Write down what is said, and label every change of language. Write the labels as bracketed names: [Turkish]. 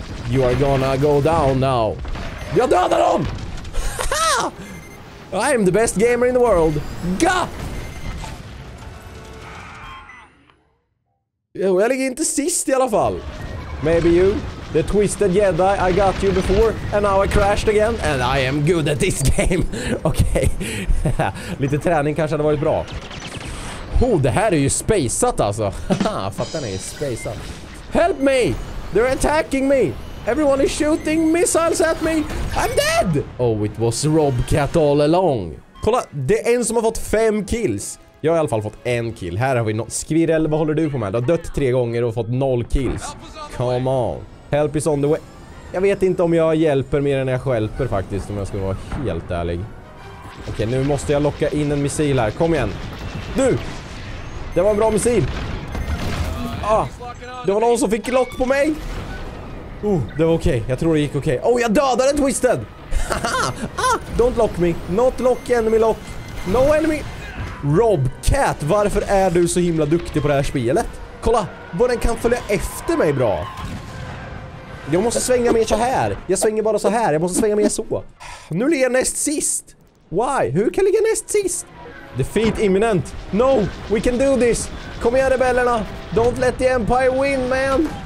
[English] You are gonna go down now. [Swedish] Jag dödar dem! [English] I am the best gamer in the world. Ga! [Swedish] Jag ligger inte sist i alla fall. [English] Maybe you, the twisted Jedi, I got you before, and now I crashed again, and I am good at this game. [Swedish] Okej, lite träning kanske hade varit bra. Oh, det här är ju spaceat alltså. Fattar ni, spaceat. [English] Help me, they're attacking me. Everyone is shooting missiles at me. I'm dead. Oh, it was Robcat all along. [Swedish] Kolla, det är en som har fått 5 kills. Jag har i alla fall fått en kill. Här har vi något. Skvirrel, vad håller du på med? Du har dött 3 gånger och fått 0 kills. [English] Come on. Help is on the way. [Swedish] Jag vet inte om jag hjälper mer än jag skälper faktiskt, om jag ska vara helt ärlig. Okej, nu måste jag locka in en missil här. Kom igen. Du! Det var en bra missil. Ah! Det var någon som fick lock på mig. Det var okej. Okay. Jag tror det gick okej. Okay. Oh, jag dödade en Twisted! [English] Haha! Ah! Don't lock me. Not lock enemy lock. No enemy... [Swedish] Robcat, varför är du så himla duktig på det här spelet? Kolla, vad den kan följa efter mig bra. Jag måste svänga mer så här. Jag svänger bara så här, jag måste svänga mer så. Nu ligger jag näst sist. Why? Hur kan jag ligga näst sist? [English] Defeat imminent. No, we can do this. [Swedish] Kom igen, rebellerna. [English] Don't let the Empire win, man.